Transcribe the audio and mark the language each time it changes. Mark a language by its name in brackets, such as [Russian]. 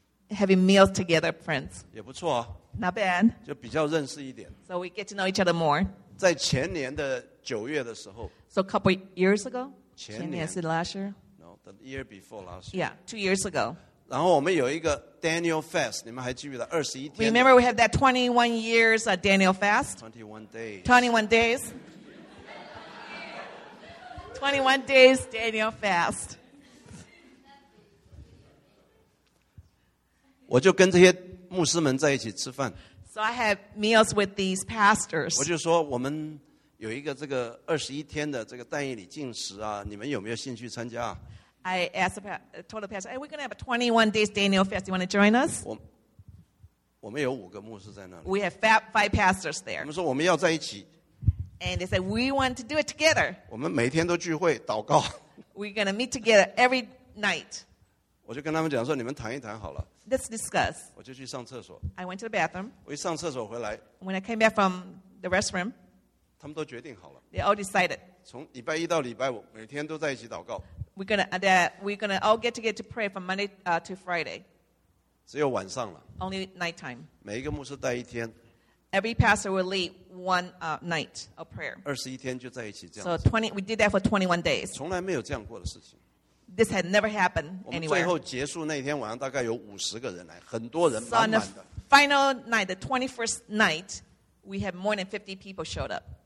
[English] Having meals together, friends. Not bad. So we get to know each other more. So a couple years ago? [Chinese] 前年 [English] 是 last year? No, the year before last year. Yeah, 2 years ago. [Chinese] 然后我们有一个 Daniel Fast, 你们还记得 21天的, [English] remember we had that 21 years of Daniel Fast? 21 days. 21 days. 21 days Daniel Fast. [Chinese] 我就跟这些牧师们在一起吃饭。 [English] So I had meals with these pastors. [Chinese] 我就说我们 有一个这个21天的这个但以理禁食啊, 你们有没有兴趣参加? [English] I asked told the pastor, hey, we're going to have a 21 days Daniel Fast. You want to join us? [Chinese] 我们有5个牧师在那里。 [English] We have 5 pastors there. [Chinese] 我们说我们要在一起。 [English] And they said, we want to do it together. [Chinese] 我们每天都聚会, 祷告。 [English] We're going to meet together every night. [Chinese] 我就跟他们讲说, 你们谈一谈好了。 [English] Let's discuss. [Chinese] 我就去上厕所。 [English] I went to the bathroom. [Chinese] 我一上厕所回来, [English] when I came back from the restroom, they all decided. [Chinese] 从礼拜一到礼拜五, 每天都在一起祷告。 [English] We're gonna all get together to pray from Monday to Friday. [Chinese] 只有晚上了。 [English] Only nighttime. [Chinese] 每一个牧师带一天。 [English] Every pastor will lead one night of prayer. [Chinese] 21天就在一起这样子。 [English] So we did that for 21 days. [Chinese] 从来没有这样过的事情。 [English] This had never happened anywhere. [Chinese] 我们最后结束那天晚上大概有50个人来, 很多人满满的。 [English] So on the final night, the 21st night, we had more than 50 people showed up.